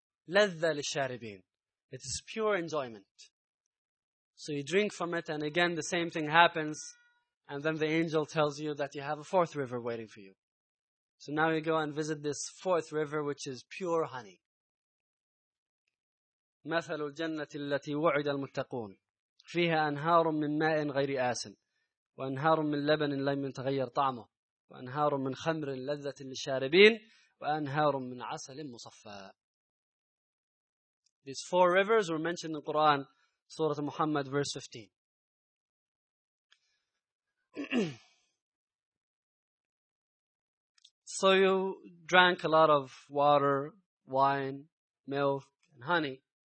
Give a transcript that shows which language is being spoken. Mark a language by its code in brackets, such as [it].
[ar] لَذَّ لِشَارِبِينَ. [en] It is pure enjoyment. So you drink from it, and again the same thing happens. And then the angel tells you that you have a fourth river waiting for you. So now you go and visit this fourth river, which is pure honey. [ar] مثل الجنة التي وعد المتقون فيها أنهار من ماء غير آسن وأنهار من لبن لم يتغير طعمه وأنهار من خمر لذة للشاربين وأنهار من عسل مصفى. [en] These four rivers were mentioned in the Quran, Surah Muhammad, verse 15. So you drank a lot of water, wine, milk, and honey.